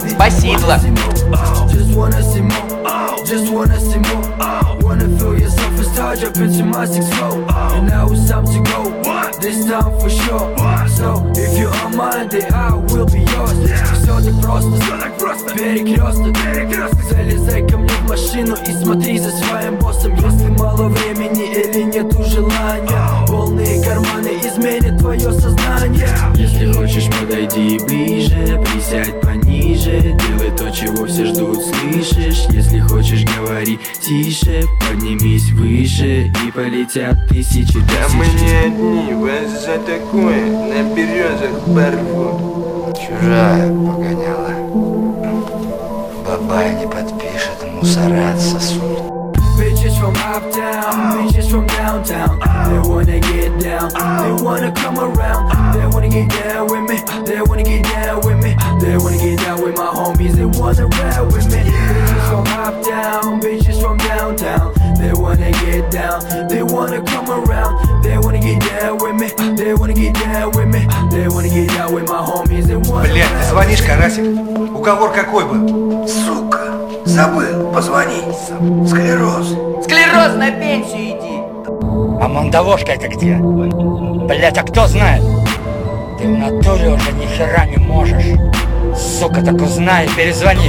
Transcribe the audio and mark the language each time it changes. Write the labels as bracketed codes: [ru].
[en] Just wanna see more. Just wanna see more. Just wanna see more. Wanna feel yourself as charge up into my six flow. And now it's time to go. This time for sure. So if you are mine, then I will be yours. [ru] Все так просто, все так просто. Перекресток, перекресток. Залезай ко мне в машину и смотри за своим боссом. Если мало времени или нету желания, полные карманы изменят твое сознание. Если хочешь, подойди ближе, присядь пониже. Делай то, чего все ждут, слышишь? Если хочешь, говори тише. Поднимись выше и полетят тысячи, тысячи. Да мы не одни, вас за такое на березах порвут. Чужая погоняла. Бабай не подпишет, мусора отсосут. [en] Bitches from uptown, bitches from downtown. They wanna get down, they wanna come around. They wanna get down with me, they wanna get down with me. They wanna get down with my homies, they wanna ride with me. Bitches from uptown, bitches from downtown. They wanna get down, they wanna come around. They wanna get down with me, they wanna get down with me. They wanna get down with my homies, they wanna ride with me. [ru] Блядь, ты звонишь, Карасик? Уговор какой был? Сука! Забыл, позвони. Склероз. Склероз, на пенсию иди. А мандавошка это где? Блять, а кто знает? Ты в натуре уже нихера не можешь. Сука, так узнай, перезвони.